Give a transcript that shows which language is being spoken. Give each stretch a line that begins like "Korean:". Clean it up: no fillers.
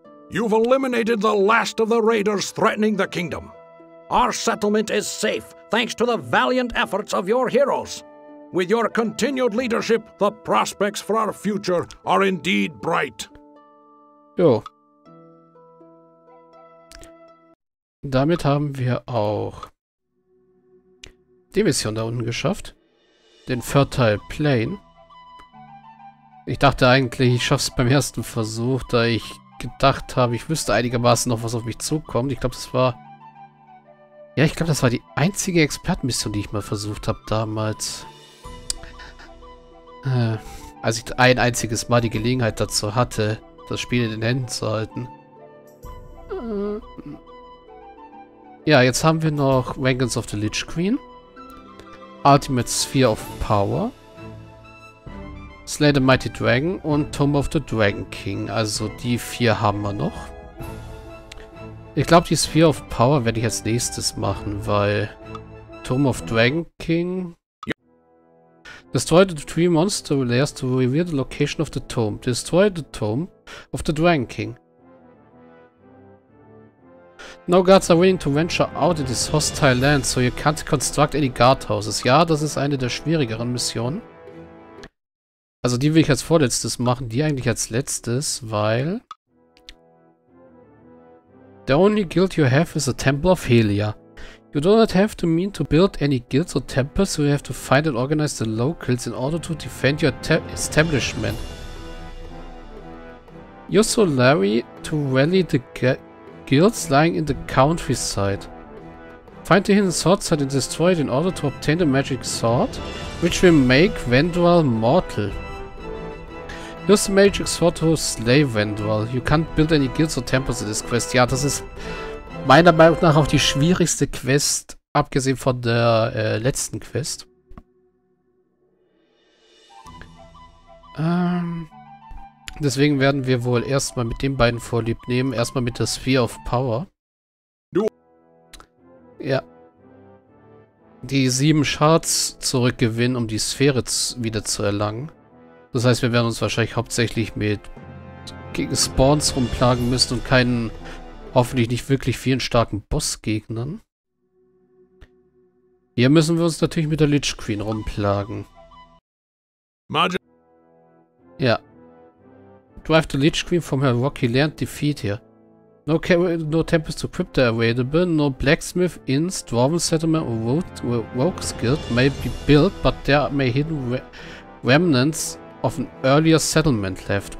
English: You've eliminated the last of the raiders threatening the kingdom. Our settlement is safe thanks to the valiant efforts of your heroes. With your continued leadership, the prospects for our future are indeed bright.
German: Jo. Damit haben wir auch die Mission da unten geschafft. Den Fertile Plain. Ich dachte eigentlich, ich schaffe es beim ersten Versuch, da ich gedacht habe, ich wüsste einigermaßen noch, was auf mich zukommt. Ich glaube, das war... Ja, ich glaube, das war die einzige Expertenmission, die ich mal versucht habe damals. Als ich ein einziges Mal die Gelegenheit dazu hatte, das Spiel in den Händen zu halten. Ja, jetzt haben wir noch Vengeance of the Lich Queen, Ultimate Sphere of Power, Slay the Mighty Dragon und Tomb of the Dragon King. Also die vier haben wir noch. Ich glaube, die Sphere of Power werde ich als nächstes machen, weil Tomb of Dragon King...
English: Destroy the three monster lairs to reveal the location of the tomb. Destroy the Tomb of the Dragon King. No guards are willing to venture out in this hostile land, so you can't construct any guardhouses.
German: Ja, das ist eine der schwierigeren Missionen. Also die will ich als vorletztes machen, die eigentlich als letztes, weil...
English: The only guild you have is the Temple of Helia. You do not have the means to build any guilds or temples, so you have to find and organize the locals in order to defend your establishment. You're so Larry to rally the guilds lying in the countryside. Find the hidden sword site and destroy it in order to obtain the magic sword, which will make Vendral mortal. Use the magic sword to slay Vendral. You can't build any guilds or temples in this quest.
German: Ja, das ist meiner Meinung nach auch die schwierigste Quest, abgesehen von der letzten Quest. Deswegen werden wir wohl erstmal mit den beiden vorlieb nehmen. Erstmal mit der Sphere of Power. Ja. Die 7 Shards zurückgewinnen, um die Sphäre wieder zu erlangen. Das heißt, wir werden uns wahrscheinlich hauptsächlich mit Spawns rumplagen müssen und keinen, hoffentlich nicht wirklich vielen starken Bossgegnern. Hier müssen wir uns natürlich mit der Lich Queen rumplagen.
English: Magic.
German: Ja.
English: Drive the Lich Queen from her rocky land, defeat here. No temples to equip there available, no blacksmith, inns, dwarven settlement or rogues guild may be built, but there may hidden remnants of an earlier settlement left.